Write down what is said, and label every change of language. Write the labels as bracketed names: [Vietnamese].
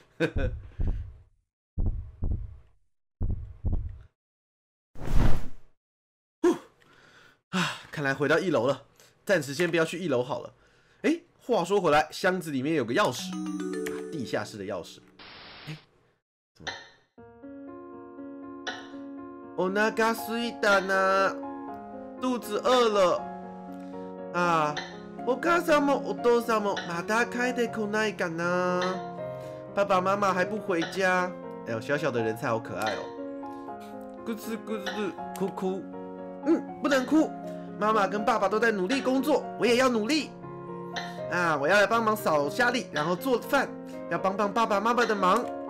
[Chinese] 呵呵，看来回到一楼了，暂时先不要去一楼好了。哎，话说回来，箱子里面有个钥匙，地下室的钥匙。哎，怎么？ [Japanese] お腹すいたな， [Chinese] 肚子饿了。 [Japanese] 啊，お母さんもお父さんもまた帰ってこないかな？ [Chinese] 爸爸妈妈还不回家？哎呦，小小的人才好可爱哦。咕吱咕吱，哭哭。嗯，不能哭。妈妈跟爸爸都在努力工作，我也要努力啊！我要来帮忙扫下力，然后做饭，要帮帮爸爸妈妈的忙。